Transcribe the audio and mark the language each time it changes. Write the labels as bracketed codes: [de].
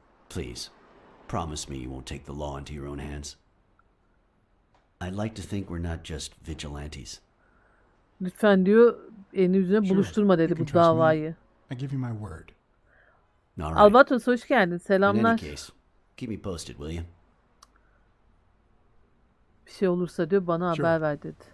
[en] Please, promise me you won't take the law into your own hands. I'd like to think we're not just vigilantes. [tr] Lütfen diyor, elini yüzüne buluşturma dedi bu davayı. [en] I give you my word. Right. [tr] Albatros, hoş geldin, selamlar. [en] In any case, keep me posted, will you? [tr] Bir şey olursa diyor, bana haber ver dedi.